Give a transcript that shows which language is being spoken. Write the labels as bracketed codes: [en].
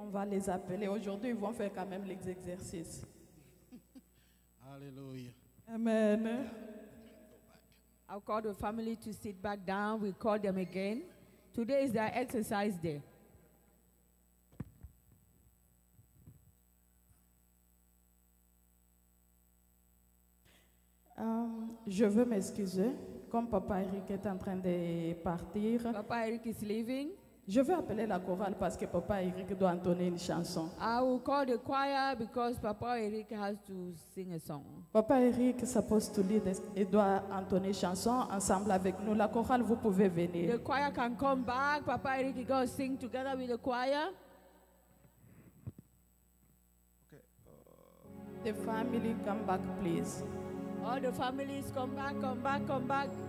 [fr] Les appeler aujourd'hui, ils vont faire quand même les exercices. Alléluia. Amen. [en] I'll call the family to sit back down. We call them again. Today is their exercise day. [fr] Je veux m'excuser. Comme Papa Eric est en train de partir, [en] Papa Eric is leaving. [fr] Je vais appeler la chorale parce que Papa Eric doit entonner une chanson. [en] I will call the choir because Papa Eric has to sing a song. [fr] Papa Eric s'appose [en] to lead [fr] et doit entonner une chanson ensemble avec nous. La chorale, vous pouvez venir. [en] The choir can come back. Papa Eric is going to sing together with the choir. Okay. The family, come back, please. All the families, come back, come back, come back.